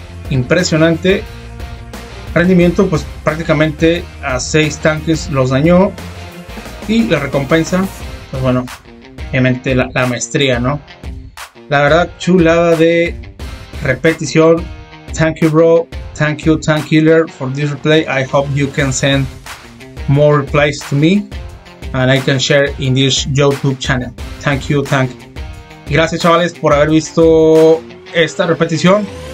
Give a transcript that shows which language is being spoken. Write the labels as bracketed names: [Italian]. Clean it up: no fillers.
[Spanish] Impresionante rendimiento, pues prácticamente a 6 tanques los dañó. Y la recompensa, pues bueno, obviamente la maestría, ¿no? La verdad, chulada de repetición. [English] Thank you, bro. Thank you, Tank Killer, for this replay. I hope you can send more replays to me and I can share in this YouTube channel. Thank you, Tank. [Spanish] Y gracias, chavales, por haber visto esta repetición.